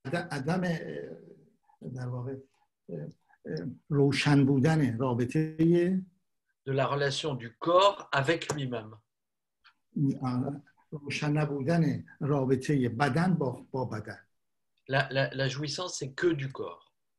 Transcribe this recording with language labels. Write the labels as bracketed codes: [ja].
[fa] عدم در واقع روشن بودن رابطه [fr] de la relation du corps avec lui-même [fa] روشن نبودن رابطه بدن با بدن [fr] la jouissance c'est que du corps